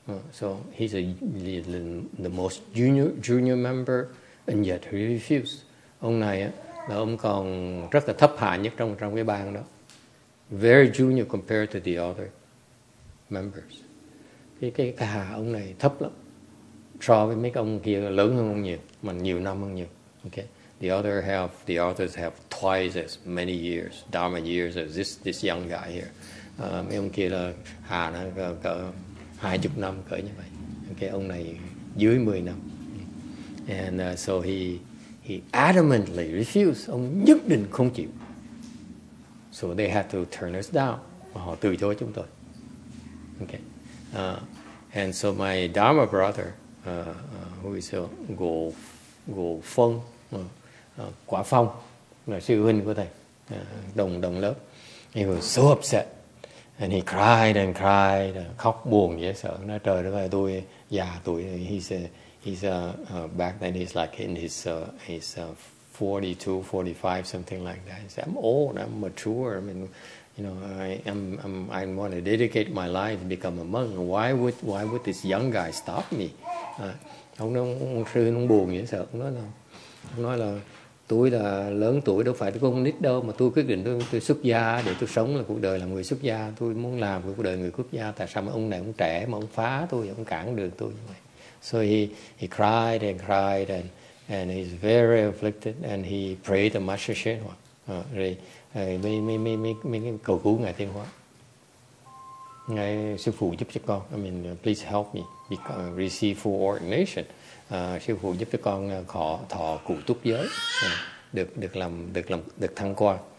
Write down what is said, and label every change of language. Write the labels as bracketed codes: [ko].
[en] So he's the most junior member, and yet he refused. [vi] Ông này là ông còn rất là thấp hạ nhất trong cái bang đó. [en] Very junior compared to the other members. [vi] Cái hạ ông này thấp lắm so với mấy ông kia, lớn hơn ông nhiều, mà nhiều năm hơn nhiều. Okay. [en] The others have twice as many years, Dharma years as this young guy here. [vi] Mấy ông kia là hạ nó cỡ 20 năm cỡ như vậy. Okay. Ông này dưới 10 năm. [en] And so he adamantly refused. [vi] Ông nhất định không chịu. [en] So they had to turn us down. [vi] Và họ từ chối chúng tôi. Okay. [en] And so my Dharma brother, who is Go Phong, Quả Phong, [vi] là sư huynh của thầy, đồng lớp. [en] He was so upset. And he cried and cried, [vi] khóc buồn dễ sợ. Nói trời đất ơi, tôi già tuổi. [en] He's back then he's like in his 42, 45, something like that. He said, I'm old, I'm mature. I mean, you know, I want to dedicate my life to become a monk. Why would this young guy stop me? [vi] Ông sư buồn dễ sợ. Ông nói là tôi là lớn tuổi, đâu phải tôi không nít đâu, mà tôi quyết định tôi xuất gia để tôi sống là cuộc đời là người xuất gia. Tôi muốn làm cuộc đời người xuất gia. Tại sao mà ông này ông trẻ mà ông phá tôi, ông cản đường tôi như vậy? [en] So he cried and cried and he's very afflicted and he prayed to Master Shen Hua. [vi] Mới cầu cứu Ngài Thiên Hóa. Ngài sư phụ giúp cho con. [en] I mean, please help me receive full ordination. [vi] Sư phụ giúp cho con khỏi thọ cụ túc giới, được thăng quan.